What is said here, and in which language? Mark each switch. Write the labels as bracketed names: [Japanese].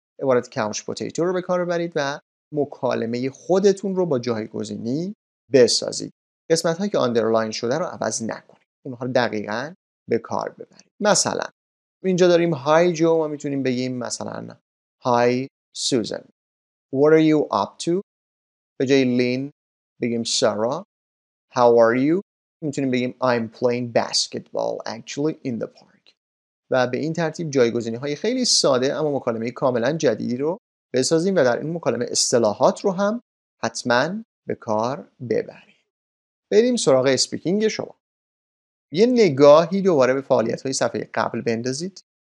[Persian] عبارت couch potato رو به کار ببرید و مکالمه خودتون رو با جایگزینی بسازید. قسمت هایی که underline شده رو عوض نکنید. اونها رو دقیقاً به کار ببرید. مثلا اینجا داریم hi Joe، ما میتونیم بگیم مثلا hi Susan. [English] What are you up to؟ [Persian] به جای Lynn بگیم Sarah. [English] How are you؟ [Persian] میتونیم بگیم [English] I'm playing basketball actually in the park. [Persian] و به این ترتیب جایگزینی های خیلی ساده اما مکالمه کاملا جدیدی رو بسازیم و در این مکالمه اصطلاحات رو هم حتما به کار ببریم. بریم سراغ اسپیکینگ شما. یه نگاهی دوباره به فعالیت های صفحه قبل بندازید.